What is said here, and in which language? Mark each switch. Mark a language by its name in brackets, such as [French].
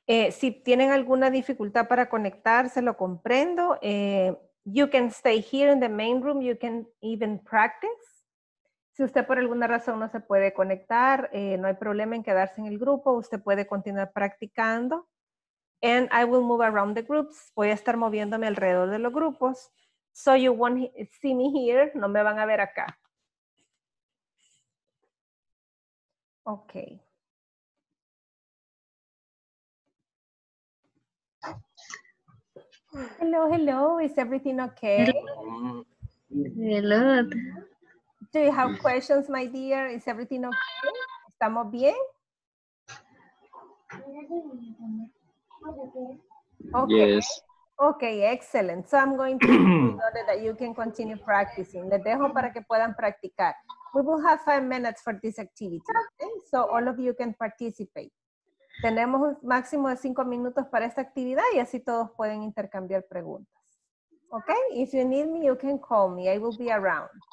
[Spanish] Si tienen alguna dificultad para conectarse, lo comprendo. [English] You can stay here in the main room. You can even practice. [Spanish] Si usted por alguna razón no se puede conectar, no hay problema en quedarse en el grupo. Usted puede continuar practicando. [English] And I will move around the groups. [Spanish] Voy a estar moviéndome alrededor de los grupos. [English] So you won't see me here. [Spanish] No me van a ver acá. [English] Okay. Hello, hello. Is everything okay? Hello. Do you have questions, my dear? Is everything okay? [Spanish] ¿Estamos bien? [English] Okay. Yes. Okay, excellent. So I'm going to know that you can continue practicing. [Spanish] Les dejo para que puedan practicar. [English] We will have 5 minutes for this activity. Okay? So all of you can participate. [Spanish] Tenemos un máximo de 5 minutos para esta actividad y así todos pueden intercambiar preguntas. [English] Okay? If you need me, you can call me. I will be around.